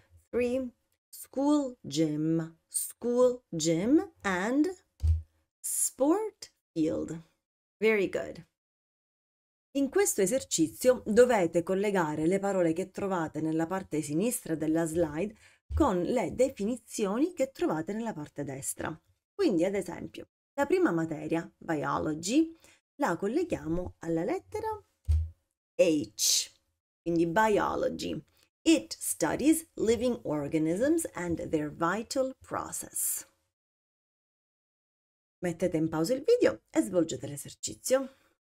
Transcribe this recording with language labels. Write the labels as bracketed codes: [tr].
[en] Three, school gym and sport field. Very good. [it] In questo esercizio dovete collegare le parole che trovate nella parte sinistra della slide con le definizioni che trovate nella parte destra. Quindi, ad esempio, la prima materia, biology, la colleghiamo alla lettera H, quindi biology. [en] It studies living organisms and their vital process. [it] Mettete in pausa il video e svolgete l'esercizio.